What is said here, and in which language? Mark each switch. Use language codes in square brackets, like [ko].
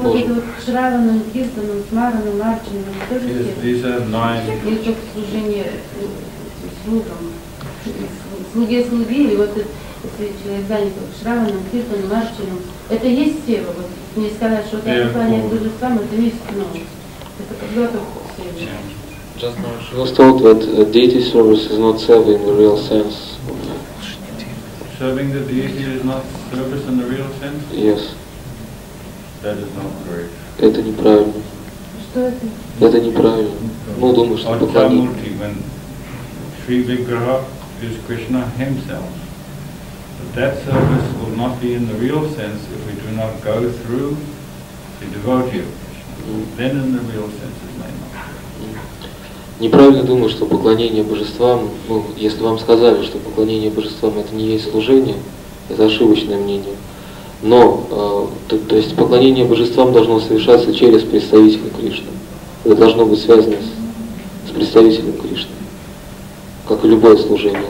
[ru] Но вот Шраваном, Киртаном, Смараном, Арчаном, это служение слугам. Слуге-слуги, и вот если человек занят Шраваном, Киртаном, Арчаном, это есть сева. Вот, мне сказать, что это выполняет то же самое, это есть новость. [en] Just now she was told that deity service is not seva in the real sense. Serving the deity is not service in the real sense? Yes. That is not correct. [ru] Это неправильно. Это неправильно. Ну, думаю, что поклонение. [en] When Sri Vigraha is Krishna himself, that service will not be in the real sense if we do not go through the devotee of Krishna. Then in the real sense it may not be. [ru] Неправильно думаю, что поклонение божествам, ну, если вам сказали, что поклонение божествам это не есть служение, это ошибочное мнение. Но, то есть поклонение божествам должно совершаться через представителя Кришны. Это должно быть связано с представителем Кришны, как и любое служение.